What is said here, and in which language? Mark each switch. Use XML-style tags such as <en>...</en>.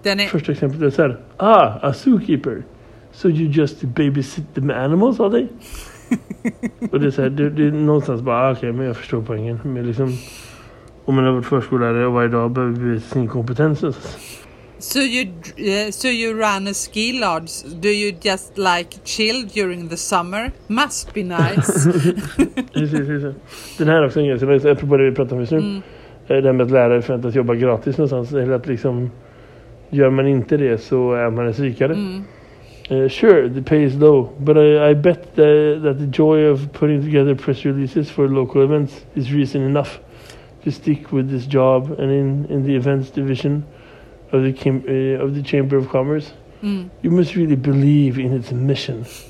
<sv>Första exempel är så här,</sv> <en>a zookeeper, so you just babysit the animals all day.</en> <sv>Och det är så här, det är någonstans bara okej, men jag förstår poängen, men liksom, om man har varit förskollärare och varje dag behöver vi sin kompetens.</sv> <en>So you run a ski lodge. Do you just like chill during the summer? Must be nice.</en> <sv>Just. Den här också är en grej. Apropå det vi pratade om just nu. Det här med att lärare förväntas jobba gratis någonstans. Eller att liksom, gör man inte det så är man en svikare.</sv> <en>Sure, the pay is low. But I bet that the joy of putting together press releases for local events is reason enough to stick with this job and in the events division of the Chamber of Commerce. You must really believe in its mission.</en>